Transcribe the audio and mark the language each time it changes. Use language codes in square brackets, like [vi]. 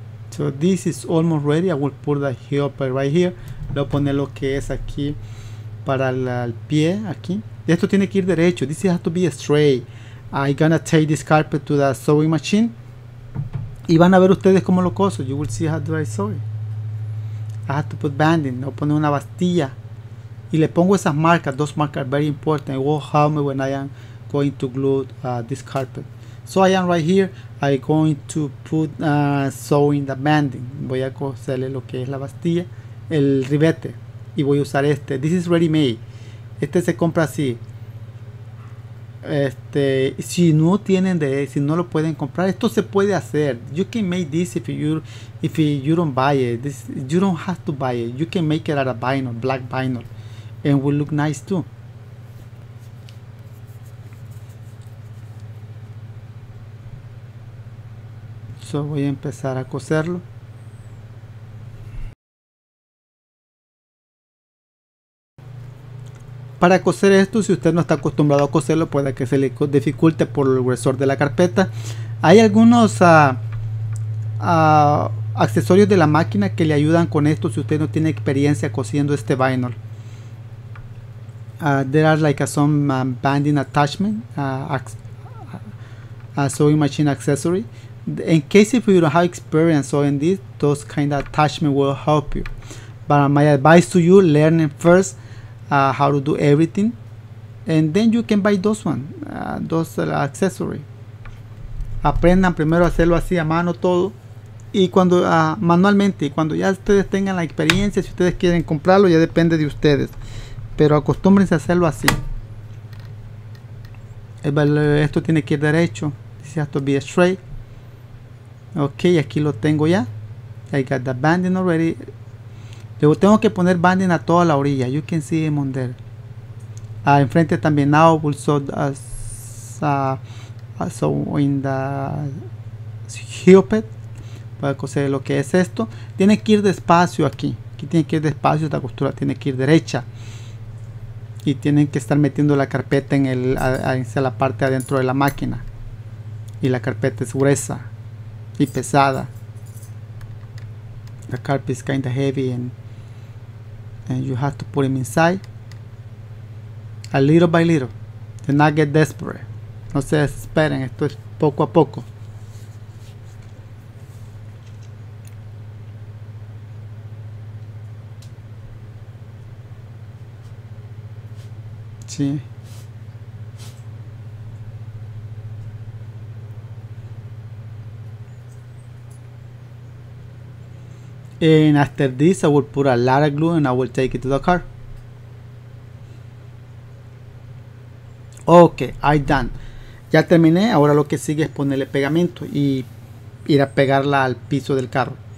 [en] So this is almost ready. I will put the heel up right here. [es] Voy a poner lo que es aquí para el pie aquí. Esto tiene que ir derecho. [en] This has to be straight. I'm gonna take this carpet to the sewing machine. [es] Y van a ver ustedes cómo lo coso. [en] You will see how I sew it. I have to put banding. [es] Voy a poner una bastilla. Y le pongo esas marcas. [en] Those marks are very important. It will help me when I am going to glue this carpet. So I am right here. I'm going to put sewing the banding. [es] Voy a coserle lo que es la bastilla, el ribete, y voy a usar este. [en] This is ready made. [es] Este se compra así. Este, si no tienen de, si no lo pueden comprar, esto se puede hacer. [en] You can make this if you don't buy it. This, you don't have to buy it. You can make it out of vinyl, black vinyl, and will look nice too. [es] So voy a empezar a coserlo. Para coser esto, si usted no está acostumbrado a coserlo, puede que se le dificulte por el grosor de la carpeta. Hay algunos accesorios de la máquina que le ayudan con esto si usted no tiene experiencia cosiendo este vinyl. [en] There are like some banding attachment, a sewing machine accessory. In case if you don't have experience sewing this, those kind of attachment will help you. But my advice to you, learn first how to do everything, and then you can buy those one, those accessory. [es] Aprendan primero a hacerlo así a mano todo, y cuando manualmente, y cuando ya ustedes tengan la experiencia, si ustedes quieren comprarlo, ya depende de ustedes. Pero acostúmbrense a hacerlo así. Esto tiene que ir derecho. [en] This has to be straight. [es] Ok, aquí lo tengo ya. [en] I got the banding already. [es] Luego tengo que poner banding a toda la orilla. [en] You can see him on there. [es] Enfrente también. [en] Now we'll sew in the helmet. [es] Voy a coser lo que es esto. Tiene que ir despacio aquí. Aquí tiene que ir despacio. Esta costura tiene que ir derecha. Y tienen que estar metiendo la carpeta en el, hacia la parte adentro de la máquina. Y la carpeta es gruesa y pesada. [en] The carpet is kind of heavy, and you have to put him inside a little by little. Do not get desperate. [es] No se desesperen, esto es poco a poco. Sí. [en] And after this, I will put a lot of glue and I will take it to the car. Okay, I done. [es] Ya terminé, ahora lo que sigue es ponerle pegamento y ir a pegarla al piso del carro.